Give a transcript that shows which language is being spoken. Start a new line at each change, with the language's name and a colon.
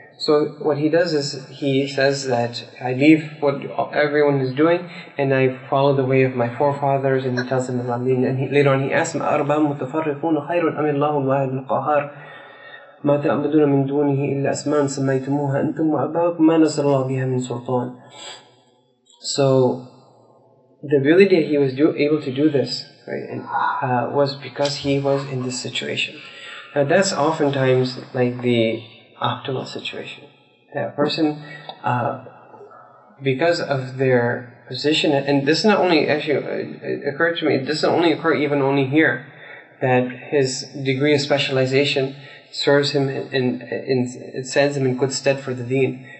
English: So what he does is he says that I leave what everyone is doing and I follow the way of my forefathers, and he tells them about me. And later on he asks him,
Arabic: أَرْبَى مُتَفَرِّقُونَ خَيْرٌ أَمِ اللَّهُ الْوَاحِدُ الْقَهَارُ مَا تَعْبُدُونَ مِنْ دُونِهِ إِلَّا أَسْمَاءً سَمَّيْتُمُوهَا أَنْتُمْ وَآبَاؤُكُمْ مَا نَزَّلَ اللَّهُ بِهَا مِنْ سُلْطَانٍ.
English: So the ability that he was able to do this, right, and, was because he was in this situation. Now that's oftentimes like the optimal situation. That person, because of their position, and this is not only actually occurred to me, this doesn't only occur even only here, that his degree of specialization serves him in it stands him in good stead for the deen.